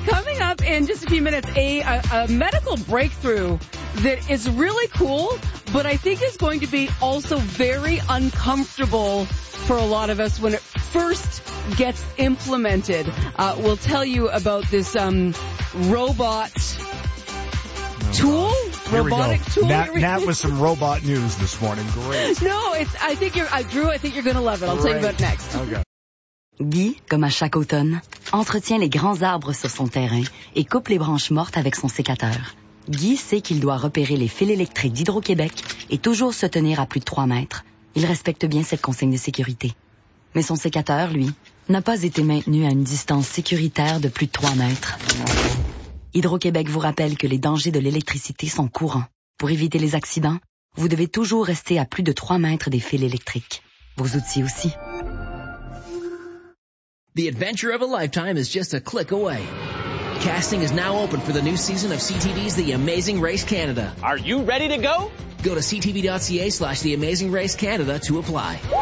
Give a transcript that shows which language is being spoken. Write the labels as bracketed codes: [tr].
[en] Coming up in just a few minutes, a medical breakthrough that is really cool, but I think is going to be also very uncomfortable for a lot of us when it first gets implemented. We'll tell you about this robot tool? Robotic tool? Nat with some robot news this morning. Great. No, I think you're going to love it. I'll tell you about it next. Okay. [fr] Guy, comme à chaque automne, entretient les grands arbres sur son terrain et coupe les branches mortes avec son sécateur. Guy sait qu'il doit repérer les fils électriques d'Hydro-Québec et toujours se tenir à plus de 3 mètres. Il respecte bien cette consigne de sécurité. Mais son sécateur, lui, n'a pas été maintenu à une distance sécuritaire de plus de 3 mètres. Hydro-Québec vous rappelle que les dangers de l'électricité sont courants. Pour éviter les accidents, vous devez toujours rester à plus de 3 mètres des fils électriques. Vos outils aussi. [en] The adventure of a lifetime is just a click away. Casting is now open for the new season of CTV's The Amazing Race Canada. Are you ready to go? Go to ctv.ca/TheAmazingRaceCanada to apply.